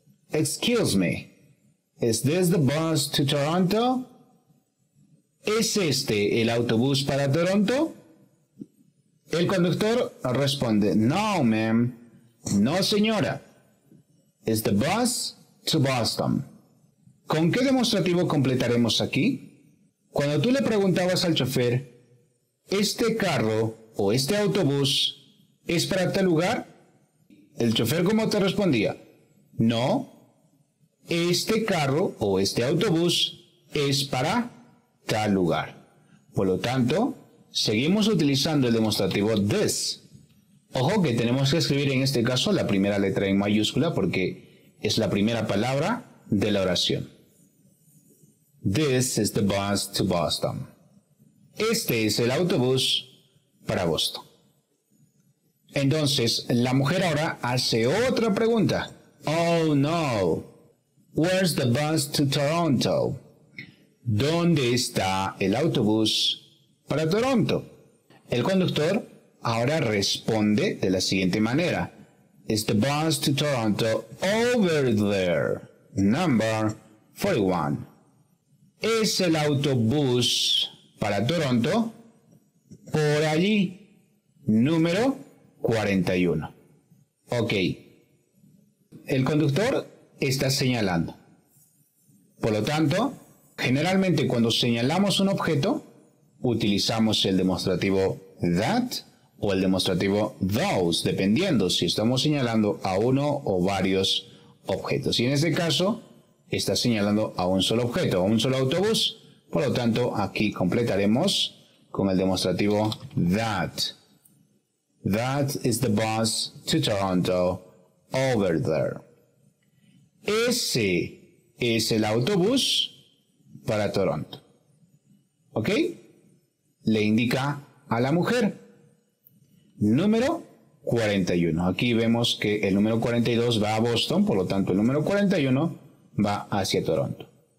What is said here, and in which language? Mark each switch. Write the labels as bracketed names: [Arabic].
[English] Excuse me, is this the bus to Toronto? [Spanish] ¿Es este el autobús para Toronto? El conductor responde, [English] no, ma'am, [Spanish] no, señora. [English] Is the bus to Boston? [Spanish] ¿Con qué demostrativo completaremos aquí? Cuando tú le preguntabas al chofer, ¿este carro o este autobús es para tal lugar? El chofer, ¿cómo te respondía? No, este carro o este autobús es para tal lugar. Por lo tanto, seguimos utilizando el demostrativo this. Ojo que tenemos que escribir en este caso la primera letra en mayúscula porque es la primera palabra de la oración. [English] This is the bus to Boston. [Spanish] Este es el autobús para Boston. Entonces, la mujer ahora hace otra pregunta. [English] Oh no, where's the bus to Toronto? [Spanish] ¿Dónde está el autobús para Toronto? El conductor ahora responde de la siguiente manera. [English] Is the bus to Toronto over there? Number 41. [Spanish] ¿Es el autobús para Toronto? Por allí. Número 41. Ok. El conductor está señalando. Por lo tanto, generalmente cuando señalamos un objeto, utilizamos el demostrativo that o el demostrativo those, dependiendo si estamos señalando a uno o varios objetos. Y en este caso, está señalando a un solo objeto, a un solo autobús. Por lo tanto, aquí completaremos con el demostrativo that. [English] That is the bus to Toronto over there. [Spanish] Ese es el autobús para Toronto. ¿Ok? Le indica a la mujer. Número 41. Aquí vemos que el número 42 va a Boston, por lo tanto el número 41 va hacia Toronto.